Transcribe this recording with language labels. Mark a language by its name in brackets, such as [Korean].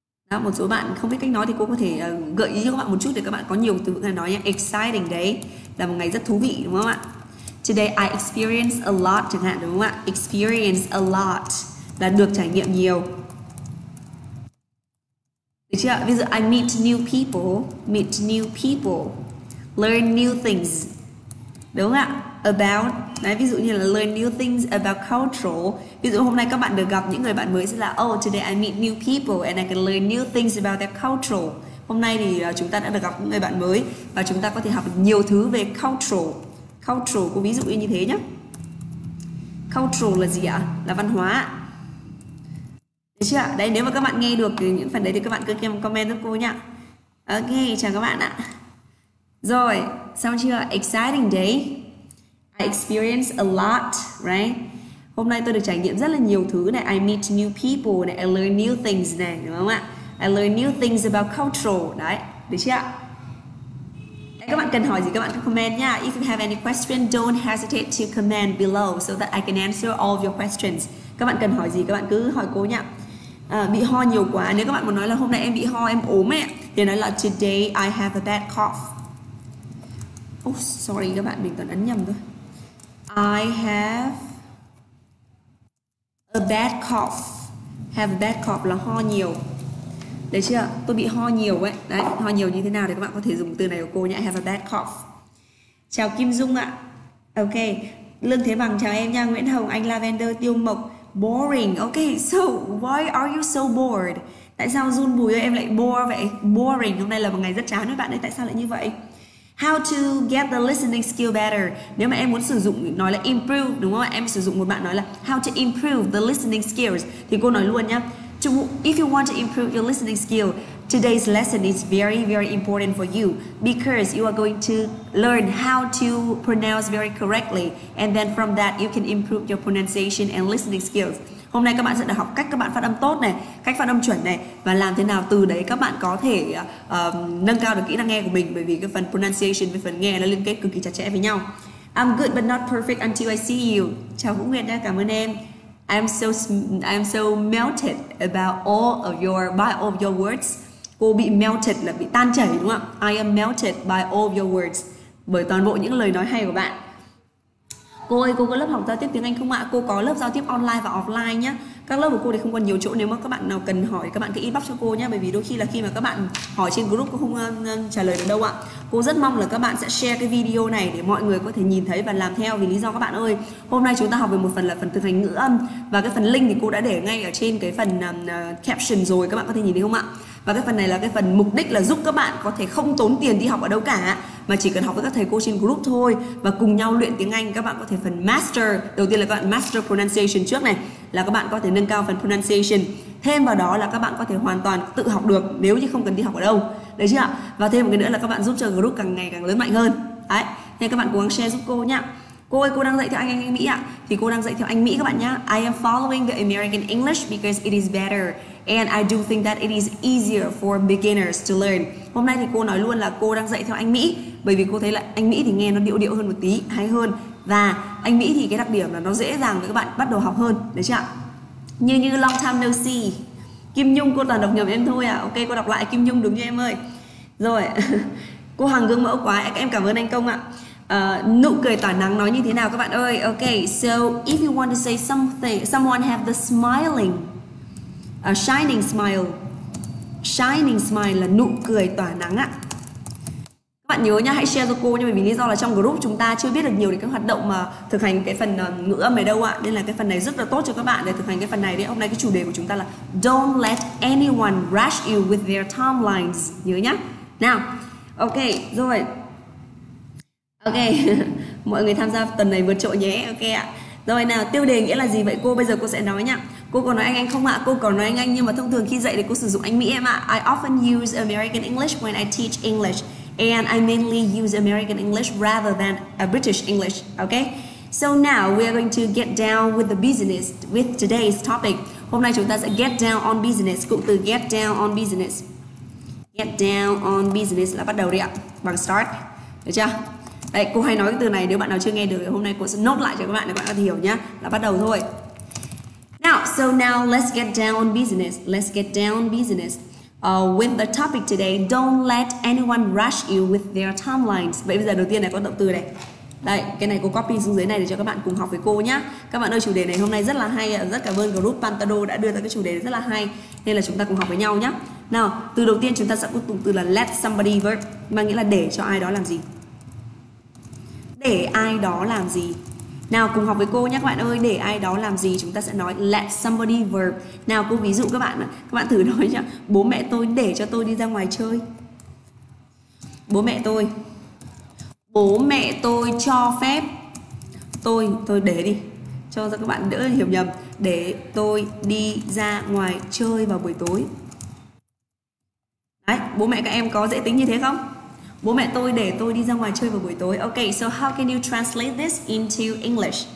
[Vietnamese] Đó, một số bạn không biết cách nói thì cô có thể gợi ý cho các bạn một chút để các bạn có nhiều từ vựng nói nhé. Exciting day là một ngày rất thú vị, đúng không ạ? [English] Today I experience a lot [Vietnamese] chẳng hạn, đúng không ạ? [English] Experience a lot [Vietnamese] là được trải nghiệm nhiều. Được chưa? Ví dụ [English] I meet new people, learn new things. [Vietnamese] Đúng không ạ? About, đấy, ví dụ như là [English] learn new things about culture. [Vietnamese] Ví dụ hôm nay các bạn được gặp những người bạn mới sẽ là [English] oh, today I meet new people and I can learn new things about their culture. [Vietnamese] Hôm nay thì chúng ta đã được gặp những người bạn mới và chúng ta có thể học được nhiều thứ về culture. Cultural của ví dụ như thế nhé. Cultural là gì ạ? Là văn hóa. Được chưa? Đấy, nếu mà các bạn nghe được thì những phần đấy thì các bạn cứ comment giúp cô nhé. Ok, chào các bạn ạ. Rồi, xong chưa? Exciting day. [English] I experience a lot, right? [Vietnamese] Hôm nay tôi được trải nghiệm rất là nhiều thứ này. [English] I meet new people [Vietnamese] này. [English] I learn new things [Vietnamese] này, đúng không ạ? [English] I learn new things about cultural. [Vietnamese] Đấy, được chưa ạ? Các bạn cần hỏi gì các bạn cứ comment nha. [English] If you have any question, don't hesitate to comment below so that I can answer all of your questions. [Vietnamese] Các bạn cần hỏi gì các bạn cứ hỏi cô nha. Bị ho nhiều quá. Nếu các bạn muốn nói là hôm nay em bị ho, em ốm ấy, thì nói là [English] today I have a bad cough. [Vietnamese] Oh, sorry các bạn, mình còn ấn nhầm thôi. [English] I have a bad cough. Have a bad cough [Vietnamese] là ho nhiều. Đấy chưa? Tôi bị ho nhiều ấy. Đấy, ho nhiều như thế nào để các bạn có thể dùng từ này của cô nhé. [English] I have a bad cough. [Vietnamese] Chào Kim Dung ạ. Ok. Lương Thế Bằng, chào em nha. Nguyễn Hồng, Anh Lavender, Tiêu Mộc. Boring. [English] Ok, so why are you so bored? [Vietnamese] Tại sao run bùi ơi, em lại bore vậy? [English] Boring. [Vietnamese] Hôm nay là một ngày rất chán với bạn ấy. Tại sao lại như vậy? [English] How to get the listening skill better? [Vietnamese] Nếu mà em muốn sử dụng, nói là improve, đúng không ạ? Em sử dụng một bạn nói là [English] how to improve the listening skills. [Vietnamese] Thì cô nói luôn nhá. [English] If you want to improve your listening skill, today's lesson is very, very important for you because you are going to learn how to pronounce very correctly and then from that, you can improve your pronunciation and listening skills. [Vietnamese] Hôm nay các bạn sẽ được học cách các bạn phát âm tốt này, cách phát âm chuẩn này, và làm thế nào từ đấy các bạn có thể nâng cao được kỹ năng nghe của mình, bởi vì cái phần pronunciation với phần nghe nó liên kết cực kỳ chặt chẽ với nhau. [English] I'm good but not perfect until I see you. [Vietnamese] Chào Vũ Nguyệt nha, cảm ơn em. [English] I'm so melted about all of your words. [Vietnamese] Cô bị melted là bị tan chảy đúng không ạ? [English] I am melted by all of your words. [Vietnamese] Bởi toàn bộ những lời nói hay của bạn. Cô ơi, cô có lớp học giao tiếp tiếng Anh không ạ? Cô có lớp giao tiếp online và offline nhé. Các lớp của cô thì không còn nhiều chỗ, nếu mà các bạn nào cần hỏi các bạn cứ inbox cho cô nhé. Bởi vì đôi khi là khi mà các bạn hỏi trên group cô không trả lời được đâu ạ. Cô rất mong là các bạn sẽ share cái video này để mọi người có thể nhìn thấy và làm theo. Vì lý do các bạn ơi, hôm nay chúng ta học về một phần là phần thực hành ngữ âm. Và cái phần link thì cô đã để ngay ở trên cái phần caption rồi, các bạn có thể nhìn thấy không ạ? Và cái phần này là cái phần mục đích là giúp các bạn có thể không tốn tiền đi học ở đâu cả, mà chỉ cần học với các thầy cô trên group thôi, và cùng nhau luyện tiếng Anh. Các bạn có thể phần master, đầu tiên là các bạn master pronunciation trước này, là các bạn có thể nâng cao phần pronunciation. Thêm vào đó là các bạn có thể hoàn toàn tự học được nếu như không cần đi học ở đâu. Đấy chứ ạ. Và thêm một cái nữa là các bạn giúp cho group càng ngày càng lớn mạnh hơn. Đấy, thế các bạn cố gắng share giúp cô nhá. Cô ơi, cô đang dạy theo anh Mỹ ạ. Thì cô đang dạy theo anh Mỹ các bạn nhá. [English] I am following the American English because it is better. And I do think that it is easier for beginners to learn. [Vietnamese] Hôm nay thì cô nói luôn là cô đang dạy theo anh Mỹ, bởi vì cô thấy là anh Mỹ thì nghe nó điệu điệu hơn một tí, hay hơn. Và anh Mỹ thì cái đặc điểm là nó dễ dàng với các bạn bắt đầu học hơn, đấy chứ ạ. Như như long time no see. Kim Nhung, cô toàn đọc nhầm em thôi ạ. Ok, cô đọc lại Kim Nhung đúng như em ơi. Rồi, cô Hằng gương mẫu quá, em cảm ơn anh Công ạ. Nụ cười tỏa nắng nói như thế nào các bạn ơi. [English] Ok, so if you want to say something, someone have the smiling, a shining smile. [Vietnamese] Shining smile là nụ cười tỏa nắng ạ. Các bạn nhớ nha, hãy share cho cô nha. Bởi vì lý do là trong group chúng ta chưa biết được nhiều đến các hoạt động mà thực hành cái phần ngữ âm này đâu ạ. Nên là cái phần này rất là tốt cho các bạn để thực hành cái phần này đấy. Hôm nay cái chủ đề của chúng ta là [English] don't let anyone rush you with their timelines. [Vietnamese] Nhớ nhá. Nào, ok, rồi. Ok, mọi người tham gia tuần này vượt trội nhé. Ok ạ. Rồi nào, tiêu đề nghĩa là gì vậy cô? Bây giờ cô sẽ nói nhá. Cô có nói anh không ạ? Cô có nói anh, nhưng mà thông thường khi dạy thì cô sử dụng anh Mỹ em ạ. [English] I often use American English when I teach English, and I mainly use American English rather than a British English. Okay? So now we are going to get down with the business with today's topic. [Vietnamese] Hôm nay chúng ta sẽ [English] get down on business. [Vietnamese] Cụm từ get down on business. [English] Get down on business [Vietnamese] là bắt đầu đấy ạ. Bằng start. Được chưa? Đấy, cô hay nói cái từ này, nếu bạn nào chưa nghe được thì hôm nay cô sẽ nốt lại cho các bạn để các bạn có thể hiểu nhá. Là bắt đầu thôi. [English] Now, so now let's get down on business. Let's get down business. With the topic today, don't let anyone rush you with their timelines. [Vietnamese] Vậy bây giờ đầu tiên này có động từ này. Đây, cái này cô copy xuống dưới này để cho các bạn cùng học với cô nhá. Các bạn ơi, chủ đề này hôm nay rất là hay. Rất cảm ơn group Pantado đã đưa ra cái chủ đề rất là hay. Nên là chúng ta cùng học với nhau nhá. Now, từ đầu tiên chúng ta sẽ có cụm từ là let somebody verb, mà nghĩa là để cho ai đó làm gì. Để ai đó làm gì. Nào cùng học với cô nhé các bạn ơi. Để ai đó làm gì, chúng ta sẽ nói let somebody verb. Nào cô ví dụ các bạn. Các bạn thử nói nhé. Bố mẹ tôi để cho tôi đi ra ngoài chơi. Bố mẹ tôi. Bố mẹ tôi cho phép tôi. Tôi để đi, cho các bạn đỡ hiểu nhầm. Để tôi đi ra ngoài chơi vào buổi tối. Đấy, bố mẹ các em có dễ tính như thế không? Bố mẹ tôi để tôi đi ra ngoài chơi vào buổi tối. [English] Ok, so how can you translate this into English?